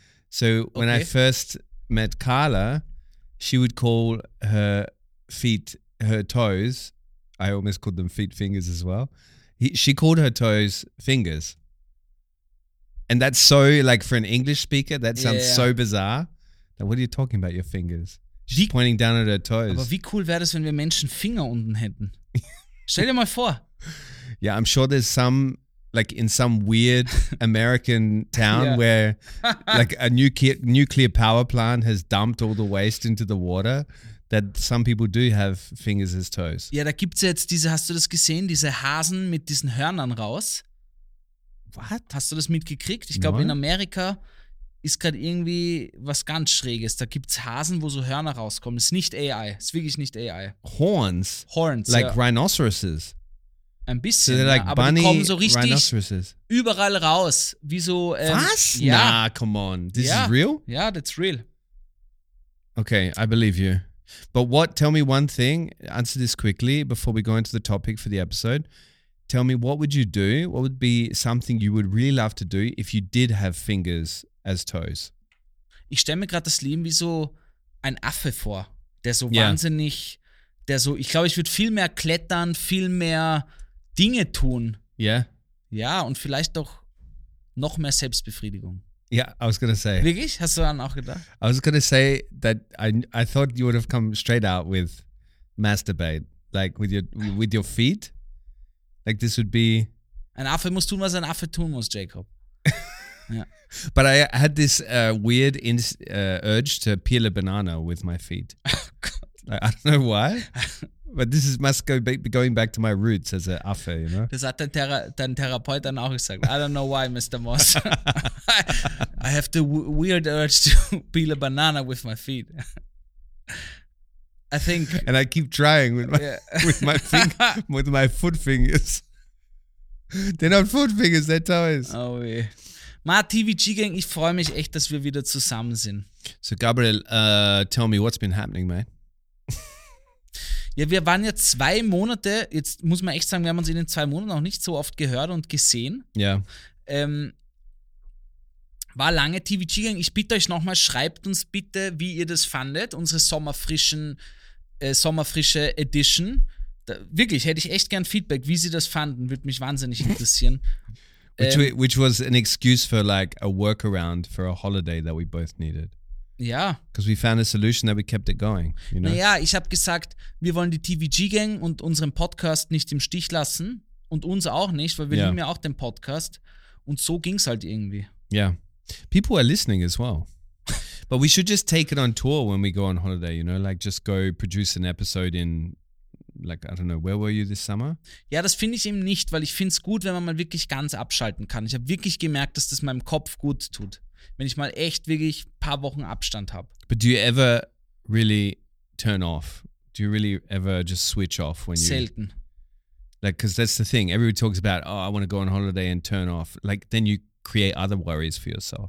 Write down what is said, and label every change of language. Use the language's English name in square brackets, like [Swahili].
[English] So when okay. I first met Carla, she would call her feet, her toes. I almost called them feet fingers as well. She called her toes fingers. And that's so like for an English speaker, that sounds so bizarre. Now, what are you talking about, your fingers? She's pointing down at her toes. [German] Aber wie cool wäre das, wenn wir Menschen Finger unten hätten? Stell dir mal vor. [English] Yeah, I'm sure there's some... Like in some weird American town where like a nuclear power plant has dumped all the waste into the water, that some people do have fingers as toes. [German] Ja, da gibt's jetzt diese, hast du das gesehen? Diese Hasen mit diesen Hörnern raus. [English] What? [German] Hast du das mitgekriegt? Ich glaube, in Amerika ist gerade irgendwie was ganz Schräges. Da gibt's Hasen, wo so Hörner rauskommen. Ist nicht AI. Ist wirklich nicht AI. [English] Horns? Horns, Like rhinoceroses. [German] Ein bisschen, so like aber die kommen so richtig überall raus. Wie so, Was? Ja. [English] Nah, come on. This is real? Yeah, that's real. Okay, I believe you. But what, tell me one thing, answer this quickly before we go into the topic for the episode. Tell me, what would you do? What would be something you would really love to do if you did have fingers as toes? [German] Ich stelle mir gerade das Leben wie so ein Affe vor, der so wahnsinnig, der so, ich glaube, ich würde viel mehr klettern, viel mehr... Dinge tun. [English] Yeah. [German] Ja, und vielleicht doch noch mehr Selbstbefriedigung. [English] Yeah, I was gonna say. [German] Wirklich? Hast du dann auch gedacht? [English] I was gonna say that I thought you would have come straight out with masturbate. Like with your feet. Like this would be [German] Ein Affe muss tun, was ein Affe tun muss, Jacob. [English] Yeah. But I had this weird urge to peel a banana with my feet. Like, I don't know why, but this is must go be going back to my roots as an affe, you know? [German] Das hat dein Therapeut dann auch gesagt. [English] I don't know why, [German] Mr. Moss. [English] I have the weird urge to peel a banana with my feet. I think. And I keep trying with my, yeah. with my finger, with my foot fingers. They're not foot fingers, they're toes. Oh, yeah. [German] Marty, TVG Gang, ich freue mich echt, dass wir wieder zusammen sind. [English] So Gabriel, tell me what's been happening, mate. [German] Ja, wir waren ja 2 Monate, jetzt muss man echt sagen, wir haben uns in den 2 Monaten auch nicht so oft gehört und gesehen. Ja. War lange TVG Gang. Ich bitte euch nochmal, schreibt uns bitte, wie ihr das fandet, unsere sommerfrische Edition. Da, wirklich, hätte ich echt gern Feedback, wie sie das fanden, würde mich wahnsinnig interessieren. [English] Which was an excuse for like a workaround for a holiday that we both needed. Yeah. Because we found a solution that we kept it going. You know? [German] Naja, ich habe gesagt, wir wollen die TVG-Gang und unseren Podcast nicht im Stich lassen und uns auch nicht, weil wir lieben ja auch den Podcast. Und so ging es halt irgendwie. [English] Yeah. People are listening as well. But we should just take it on tour when we go on holiday, you know, like just go produce an episode in... Like, I don't know, where were you this summer? [German] Ja, das finde ich eben nicht, weil ich finde es gut, wenn man mal wirklich ganz abschalten kann. Ich habe wirklich gemerkt, dass das meinem Kopf gut tut, wenn ich mal echt wirklich ein paar Wochen Abstand habe. [English] But do you ever really turn off? Do you really ever just switch off when you... [German] Selten. [English] Like, because that's the thing. Everybody talks about, oh, I want to go on holiday and turn off. Like, then you create other worries for yourself.